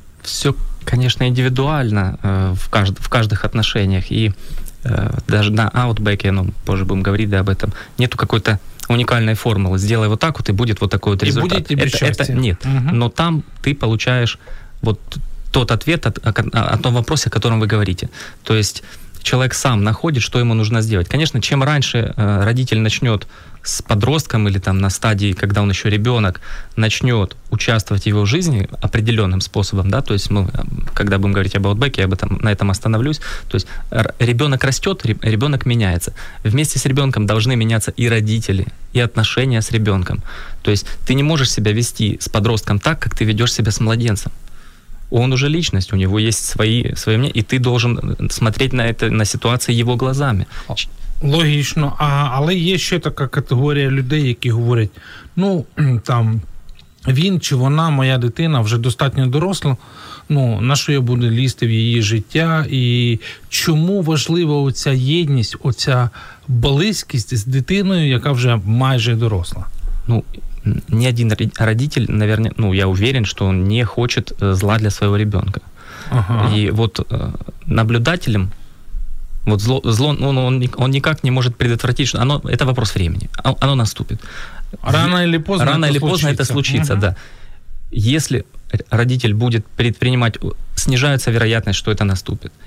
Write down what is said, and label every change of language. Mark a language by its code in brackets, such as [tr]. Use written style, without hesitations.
[uk] Все, звісно, індивідуально в кожних відносинах. І навіть на Outback'і, [ru] ну, позже будемо говорити, да, об этом, нету какой-то уникальной формулы. Сделай вот так вот, и будет вот такой вот результат. И будет тебе счастье. Это нет. Угу. Но там ты получаешь вот тот ответ о том вопросе, о котором вы говорите. То есть человек сам находит, что ему нужно сделать. Конечно, чем раньше родитель начнет с подростком или там на стадии, когда он еще ребенок, начнет участвовать в его жизни определенным способом, да, то есть мы, когда будем говорить об Outback'е, я об этом, на этом остановлюсь, то есть ребенок растет, ребенок меняется. Вместе с ребенком должны меняться и родители, и отношения с ребенком. То есть ты не можешь себя вести с подростком так, как ты ведешь себя с младенцем. Он уже личность, у него есть свои мнения, и ты должен смотреть на это, на ситуацию его глазами. [uk] Логічно, але є ще така категорія людей, які говорять, ну, там, він чи вона, моя дитина, вже достатньо доросла, ну, на що я буду лізти в її життя, і чому важлива оця єдність, оця близькість з дитиною, яка вже майже доросла? Ну, ні один родитель, [ru] наверное, ну, я уверен, [uk] що він не хоче зла для свого ребенка. Ага. [ru] І от наблюдателем, вот зло, он никак не может предотвратить, что оно, это вопрос времени, оно наступит. Рано или поздно это случится, угу. Да. Если родитель будет предпринимать, снижается вероятность, что это наступит.